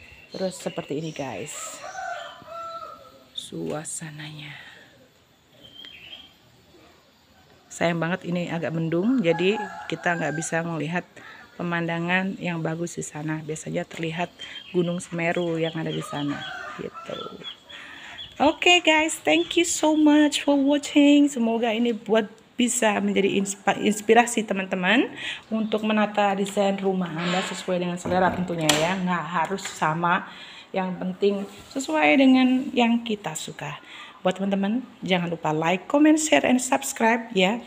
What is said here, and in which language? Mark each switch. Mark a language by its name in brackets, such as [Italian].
[Indonesian] Terus seperti ini, guys. Suasananya. Sayang banget ini agak mendung, jadi kita nggak bisa melihat pemandangan yang bagus di sana. Biasanya terlihat Gunung Semeru yang ada di sana gitu. [English] Okay, guys, thank you so much for watching. [Indonesian] Semoga ini buat bisa menjadi inspirasi teman-teman untuk menata desain rumah Anda sesuai dengan selera tentunya ya. Nggak harus sama. Yang penting sesuai dengan yang kita suka. Buat teman-teman, jangan lupa [English] like, comment, share, and subscribe [Indonesian] ya.